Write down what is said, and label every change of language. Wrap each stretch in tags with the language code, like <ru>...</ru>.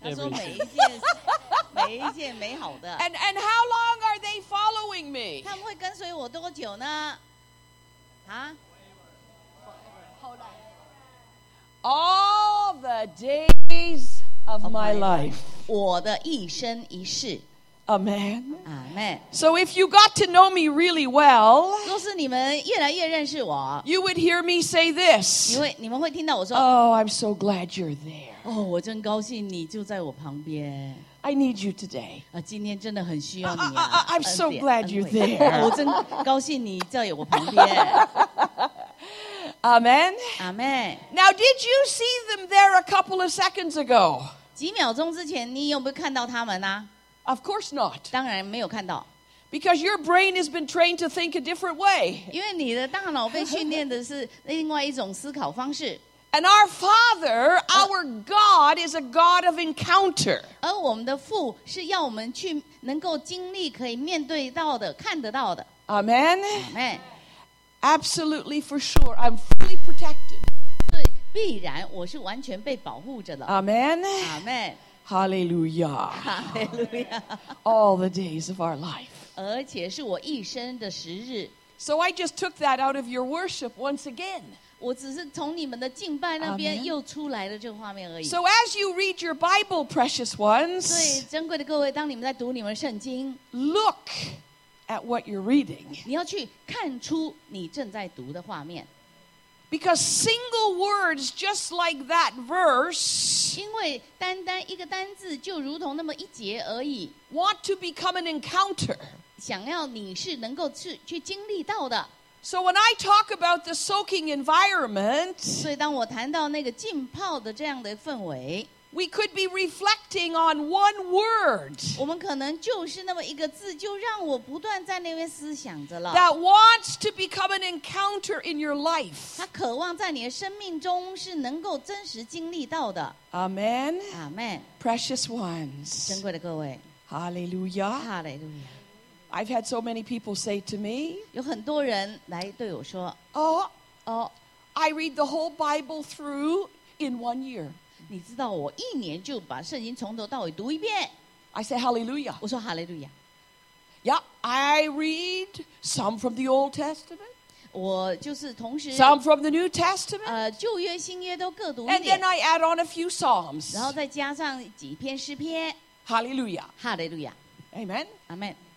<zh>他说每一件，每一件美好的。</zh> <en>And how long are they following me?</en> <zh>他们会跟随我多久呢？啊？</zh> <en>Hold on. All the days of my life.</en> <zh>我的一生一世。</zh> <en>Amen. Amen. So if you got to know me really well,</en> <zh>若是你们越来越认识我，</zh> <en>you would hear me say this.</en> <zh>你们会听到我说，</zh> <en>Oh, I'm so glad you're there.</en> <zh>哦，我真高兴你就在我旁边。</zh> <en>I need you today.</en> <zh>今天真的很需要你啊。</zh> <en>I'm so glad you're there.</en> <zh>我真高兴你在我旁边。</zh> <en>Amen. Amen. Now, did you see them there a couple of seconds ago?</en> <zh>几秒钟之前，你有没有看到他们啊？</zh> <en>Of course not.</en> <zh>当然没有看到。</zh> <en>Because your brain has been trained to think a different way.</en> <zh>因为你的大脑被训练的是另外一种思考方式。</zh> <en>And our Father, our God, is a God of encounter.</en> <zh>而我们的父是要我们去能够经历可以面对到的看得到的。</zh> <en>Amen. Amen. Absolutely for sure, I'm fully protected.</en> <zh>对，必然我是完全被保护着的。</zh> <en>Amen. Amen. Hallelujah. Hallelujah. All the days of our life.</en> <zh>而且是我一生的时日。</zh> <en>So I just took that out of your worship once again.</en> <zh>我只是从你们的敬拜那边又出来了这个画面而已。</zh> <en>So as you read your Bible, precious ones,</en> <zh>对，珍贵的各位，当你们在读你们圣经，</zh> <en>look at what you're reading.</en> <zh>你要去看出你正在读的画面。</zh> <en>Because single words just like that verse,</en> <zh>因为单单一个单字就如同那么一节而已，</zh> <en>want to become an encounter,</en> <zh>想要你是能够 去经历到的。</zh> <en>So when I talk about the soaking environment,</en> <zh>所以当我谈到那个浸泡的这样的氛围，</zh> <en>we could be reflecting on one word,</en> <zh>我们可能就是那么一个字就让我不断在那边思想着了，</zh> <en>that wants to become an encounter in your life,</en> <zh>它渴望在你的生命中是能够真实经历到的。</zh> <en>Amen. Amen. Precious ones,</en> <zh>珍贵的各位，</zh> <en>Hallelujah. Hallelujah. I've had so many people say to me,</en> <zh>有很多人来对我说，</zh> <en>I read the whole Bible through in one year.</en> <zh>你知道我一年就把圣经从头到尾读一遍。</zh> <en>I say hallelujah.</en> <zh>我说 hallelujah.</zh> <en>Yeah, I read some from the Old Testament.</en> <zh>我就是同时</zh> <en>some from the New Testament.</en> <zh>旧约新约都各读一点。</zh> <en>And then I add on a few psalms.</en> <zh>然后再加上几篇诗篇。</zh> <en>Hallelujah. Hallelujah. Amen. Amen.</en>